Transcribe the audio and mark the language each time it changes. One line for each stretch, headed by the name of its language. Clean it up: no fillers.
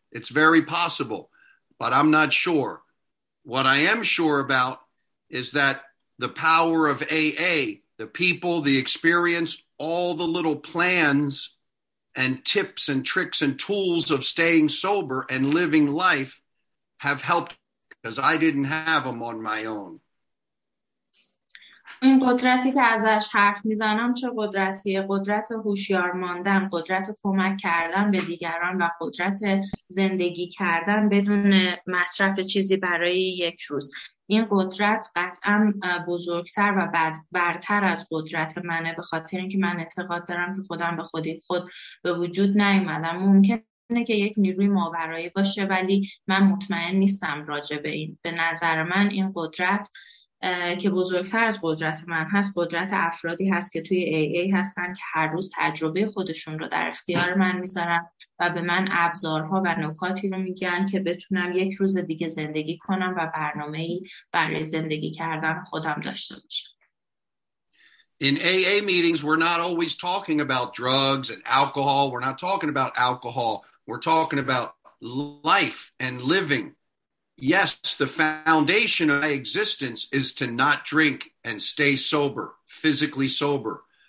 English: It's very possible, but I'm not sure. What I am sure about is that the power of AA, the people, the experience, all the little plans and tips and tricks and tools of staying sober and living life have helped because I didn't have them on my own.
Persian: این قدرتی که ازش حرف میزنم چه قدرتیه؟ قدرت هوشیار ماندن، قدرت کمک کردن به دیگران و قدرت زندگی کردن بدون مصرف چیزی برای یک روز. این قدرت قطعا بزرگتر و برتر از قدرت منه، به خاطر اینکه من اعتقاد دارم که خودم به خودی خود به وجود نیومدم. ممکنه که یک نیروی ماورایی باشه، ولی من مطمئن نیستم راجع به این. به نظر من این قدرت که بزرگتر از قدرت من هست، قدرت افرادی هست که توی AA هستن که هر روز تجربه خودشون رو در اختیار من میذارن و به من ابزارها و نکاتی رو میگن که بتونم یک روز دیگه زندگی کنم و برنامه‌ای برای زندگی کردن خودم داشته باشم.
English: In AA meetings we're not always talking about drugs and alcohol. We're not talking about alcohol. We're talking about life and living. Yes, the foundation of my existence is to not drink and stay sober, physically sober.